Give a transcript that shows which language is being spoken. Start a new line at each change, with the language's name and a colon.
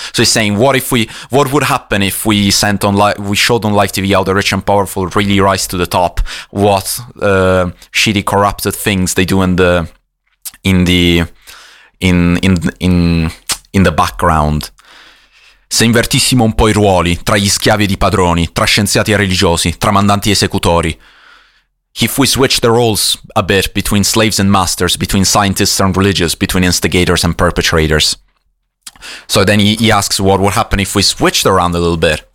English: So he's saying, what would happen if we sent on we showed on live TV how the rich and powerful really rise to the top? What shitty, corrupted things they do in the background.
Italian: Se invertissimo un po' i ruoli tra gli schiavi e i padroni, tra scienziati e religiosi, tra mandanti e esecutori.
English: If we switch the roles a bit between slaves and masters, between scientists and religious, between instigators and perpetrators. So then he asks, what would happen if we switched around a little bit?